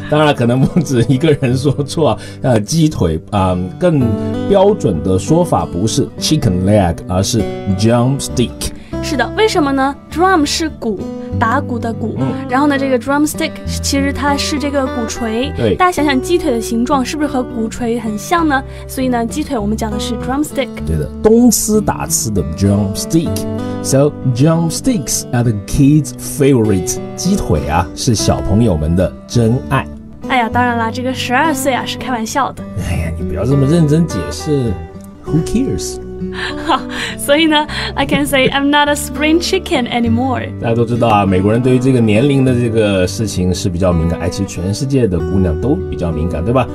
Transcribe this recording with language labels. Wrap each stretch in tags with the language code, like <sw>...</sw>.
<zh>当然可能不止一个人说错，鸡腿更标准的说法不是 chicken leg， 而是 drumstick。是的，为什么呢？ drum 是鼓，打鼓的鼓，然后呢这个 drumstick 其实它是这个鼓槌。对，大家想想鸡腿的形状是不是和鼓槌很像呢？所以呢鸡腿我们讲的是 drumstick。对的，动词打词的 drumstick。</zh> <en>So drumsticks are the kids favorite，</en> <zh>鸡腿啊是小朋友们的真爱。哎呀，当然了，这个十二岁啊是开玩笑的。哎呀，你不要这么认真解释，</zh> <en>Who cares。</en> <zh>所以呢</zh> <en>I can say I'm not a spring chicken anymore。</en> <zh>大家都知道啊，美国人对于这个年龄的这个事情是比较敏感。哎，其实全世界的姑娘都比较敏感对吧？</zh>